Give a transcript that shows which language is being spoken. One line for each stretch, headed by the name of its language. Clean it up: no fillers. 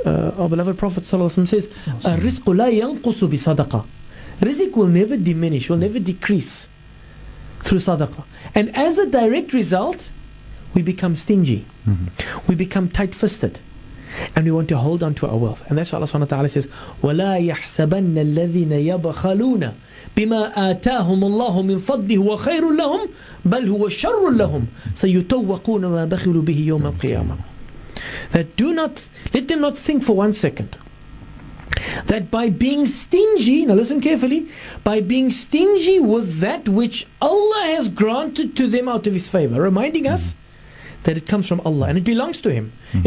English: Our beloved Prophet says,
Arabic: "Rizqu la yanqusu bi sadaqa."
English: Rizq will never diminish, will never decrease through sadaqah. And as a direct result, we become stingy. Mm-hmm. We become tight-fisted. And we want to hold on to our wealth. And that's why Allah subhanahu wa ta'ala says,
Arabic: وَلَا يَحْسَبَنَّ الَّذِينَ يَبْخَلُونَ بِمَا آتَاهُمُ اللَّهُ مِنْ فَضِّهُ وَخَيْرٌ لَهُمْ بَلْ هُوَ شَرٌ لَهُمْ سَيُتَوَّقُونَ مَا بَخِلُوا بِهِ يَوْمَ الْقِيَامَةِ.
English: That do not, let them not think for 1 second that by being stingy, now listen carefully, by being stingy with that which Allah has granted to them out of His favor, reminding us that it comes from Allah and it belongs to Him. Mm-hmm.